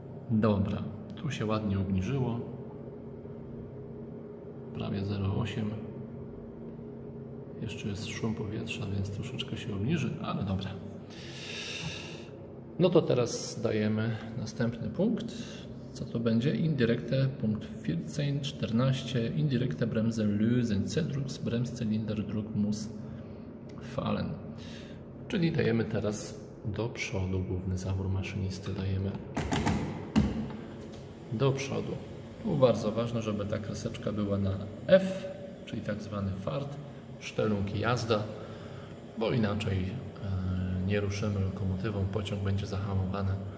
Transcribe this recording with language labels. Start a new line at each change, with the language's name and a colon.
Polish: Dobra, tu się ładnie obniżyło. Prawie 0,8. Jeszcze jest szum powietrza, więc troszeczkę się obniży, ale dobra. No to teraz dajemy następny punkt. Co to będzie? Indirekte, punkt 14.
German: Indirekte bremse lösen. C-druck, bremszylinder, druck muss fallen.
Polish: Czyli dajemy teraz do przodu, główny zawór maszynisty dajemy do przodu. Tu bardzo ważne, żeby ta kreseczka była na F, czyli tak zwany fart, Stellung jazda, bo inaczej nie ruszymy lokomotywą, pociąg będzie zahamowany.